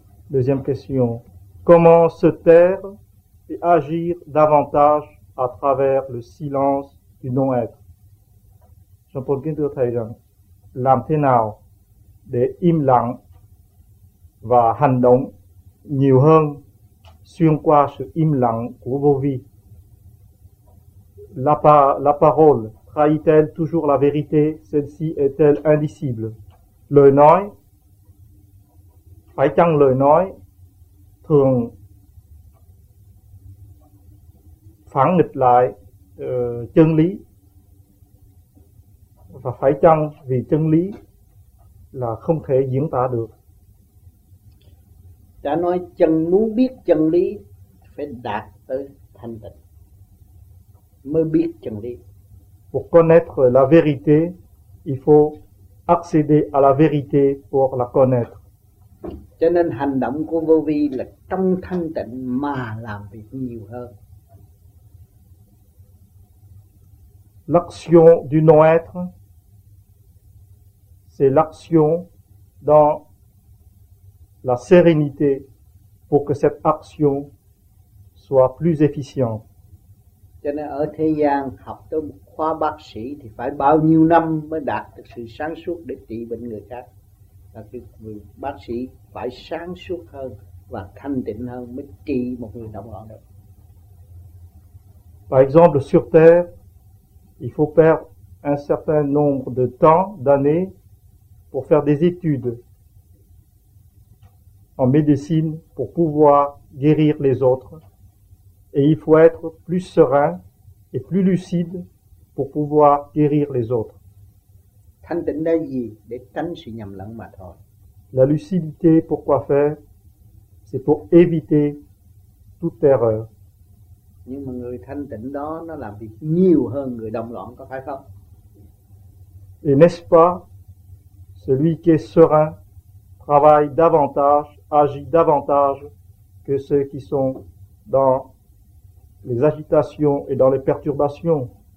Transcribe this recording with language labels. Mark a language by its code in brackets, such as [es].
[fr] Deuxième question. Comment se taire et agir davantage à travers le silence du non-être? Je peux dire que [vi] thầy rằng làm thế nào để im lặng và hành động nhiều hơn xuyên qua sự im lặng của vô vi. [fr] La parole trahit-elle toujours la vérité? Celle-ci est-elle indicible? [vi] Lời nói, phải chăng lời nói thường phản nghịch lại chân lý? Và phải chăng vì chân lý là không thể diễn tả được? Đã nói chân muốn biết chân lý phải đạt tới thanh tịnh mới biết chân lý. [fr] Pour connaître la vérité, il faut accéder à la vérité pour la connaître. [vi] Cho nên hành động của vô vi là trong thanh tịnh mà làm việc nhiều hơn. [fr] L'action du non-être, c'est l'action dans la sérénité pour que cette action soit plus efficiente. [vi] Cho nên ở thế gian học tới một khoa bác sĩ thì phải bao nhiêu năm mới đạt được sự sáng suốt để trị bệnh người khác. Và người bác sĩ phải sáng suốt hơn và thanh tịnh hơn mới trị một người đồng loại được. [fr] Par exemple, sur Terre, il faut perdre un certain nombre de temps, d'années, pour faire des études en médecine pour pouvoir guérir les autres. Et il faut être plus serein et plus lucide pour pouvoir guérir les autres. [vi] Thanh tịnh là gì? Để tránh sự nhầm lẫn mà thôi. [fr] La lucidité, pourquoi faire? C'est pour éviter toute erreur. [vi] Nhưng mà người thanh tịnh đó, nó làm việc nhiều hơn người đồng loạn, có phải không? [fr] Et n'est-ce pas? Celui qui est serein travaille davantage, agit davantage que ceux qui sont dans les agitations et dans les perturbations.